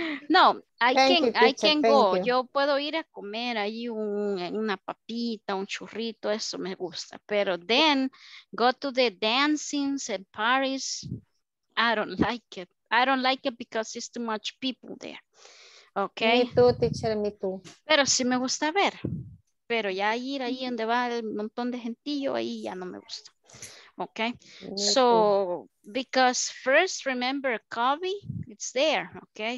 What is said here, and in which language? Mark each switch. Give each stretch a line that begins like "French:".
English: No, I can go. You.
Spanish: Yo puedo ir a comer ahí una papita, un churrito, eso me gusta.
English: Pero then go to the dancings and parties. I don't like it because it's too much people there. Okay. Me too, teacher, me too.
Spanish: Pero sí me gusta ver. Pero ya ir ahí donde va el montón de gentillo, ahí ya no me gusta.
English: Okay, so because first remember COVID, it's there, okay?